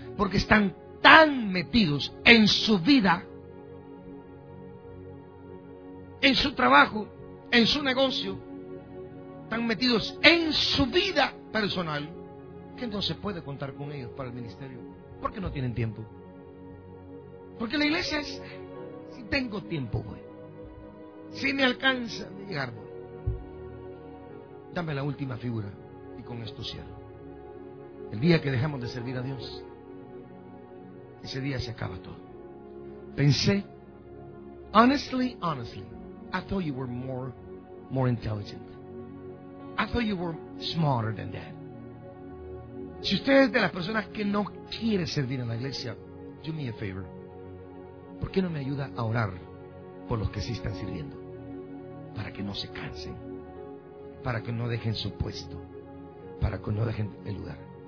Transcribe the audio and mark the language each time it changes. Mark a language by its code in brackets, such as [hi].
[es] Porque están tan metidos en su vida, en su trabajo, en su negocio, están metidos en su vida personal, que no se puede contar con ellos para el ministerio, porque no tienen tiempo. Porque la iglesia es, si tengo tiempo, güey. Si me alcanza de llegar, güey. Dame la última figura y con esto cierro. El día que dejamos de servir a Dios, ese día se acaba todo. [en] Pensé, honestly, I thought you were more intelligent. I thought you were smarter than that. [es] Si usted es de las personas que no quiere servir en la iglesia, [en] do me a favor. [es] ¿Por qué no me ayuda a orar por los que sí están sirviendo? Para que no se cansen. Para que no dejen su puesto. Para que no dejen el lugar.